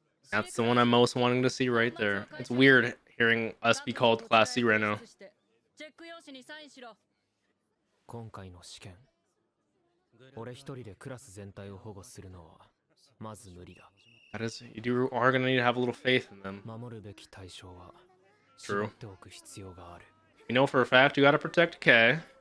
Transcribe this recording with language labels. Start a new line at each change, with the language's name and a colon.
English: That's the one I'm most wanting to see right there. It's weird hearing us be called Class C right now.
Japanese: チェック用紙にサインしろ。今回の試験、俺一人でクラス全体を保護するのはまず無理だ。
English: That is, you are gonna need to have a little faith in them.
Japanese: 守るべき対象は絞っておく必要がある。
English: You know for a fact you gotta protect K.